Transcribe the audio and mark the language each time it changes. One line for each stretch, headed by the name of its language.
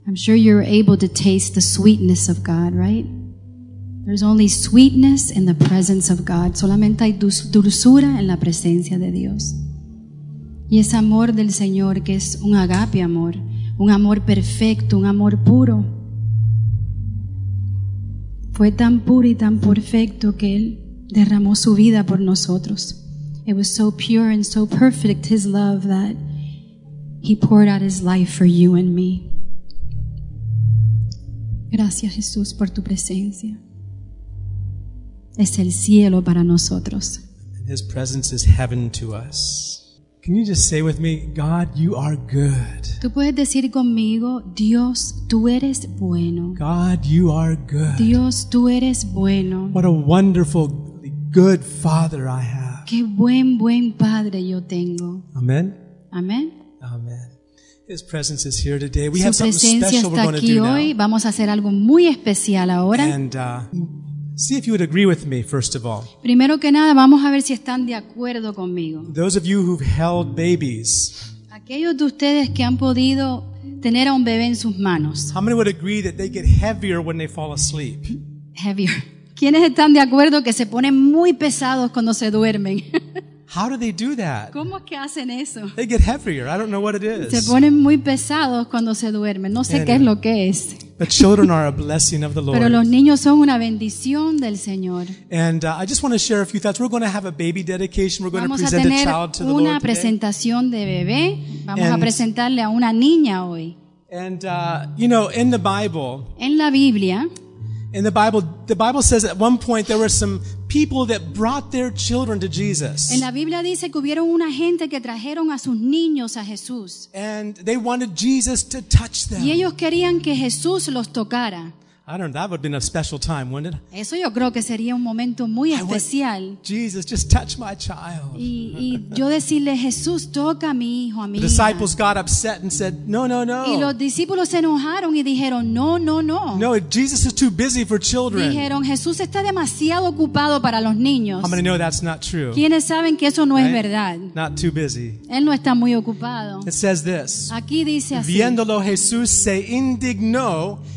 English: I'm sure you're able to taste the sweetness of God, right? There's only sweetness in the presence of God.
Spanish: Solamente hay dulzura en la presencia de Dios. Y ese amor del Señor que es un agape amor, un amor perfecto, un amor puro. Fue tan puro y tan perfecto que Él derramó su vida por nosotros.
English: It was so pure and so perfect, His love, that He poured out His life for you and me.
Spanish: Gracias, Jesús, por tu presencia. Es el cielo para nosotros.
English: And His presence is heaven to us. Can you just say with me, God, you are good.
Spanish: Tú puedes decir conmigo, Dios, tú eres bueno.
English: God, you are good.
Spanish: Dios, tú eres bueno.
English: What a wonderful, good Father I have.
Spanish: Qué buen padre yo tengo.
English: Amen. Amen. Amen. His presence is here today. We
Spanish: Su
English: have something special
Spanish: está
English: we're going
Spanish: aquí
English: to do
Spanish: hoy.
English: Now.
Spanish: Vamos a hacer algo muy especial ahora.
English: And see if you would agree with me, first of all.
Spanish: Primero que nada, vamos a ver si están de acuerdo conmigo.
English: Those of you who've held babies.
Spanish: Aquellos de ustedes que han podido tener a un bebé en sus manos.
English: How many would agree that they get heavier when they fall asleep? Heavier.
Spanish: ¿Quiénes están de acuerdo que se ponen muy pesados cuando se duermen?
English: How do they do that?
Spanish: ¿Cómo es que hacen eso?
English: They get heavier. I don't know what it is.
Spanish: Se ponen muy pesados cuando se duermen. No sé qué es lo que es.
English: But children are a blessing of the Lord.
Spanish: Pero los niños son una bendición del Señor.
English: And I just want to share a few thoughts. We're going to have a baby dedication. We're going
Spanish: Vamos
English: to present a child to the Lord today.
Spanish: Una presentación de bebé. Vamos a presentarle a una niña hoy.
English: And you know, in the Bible.
Spanish: En la Biblia.
English: In the Bible says at one point there were some people that brought their children to Jesus.
Spanish: En la Biblia dice que hubieron una gente que trajeron a sus niños a Jesús.
English: And they wanted Jesus to touch them.
Spanish: Y ellos querían que Jesús los tocara.
English: I don't know, that would have been a special time, wouldn't it?
Spanish: Eso yo creo que sería un momento muy especial.
English: I went, Jesus, just touch my child.
Spanish: Y yo decirle, Jesús, toca a mi hijo, a mi hija.
English: The disciples got upset and said, no, no, no.
Spanish: Y los discípulos se enojaron y dijeron, no, no, no.
English: No, Jesus is too busy for children.
Spanish: Dijeron, Jesús está demasiado ocupado para los niños.
English: How many know that's not true?
Spanish: ¿Quiénes saben que eso no es verdad?
English: Not too busy.
Spanish: Él no está muy ocupado.
English: It says this.
Spanish: Aquí dice así. Viéndolo, Jesús se indignó.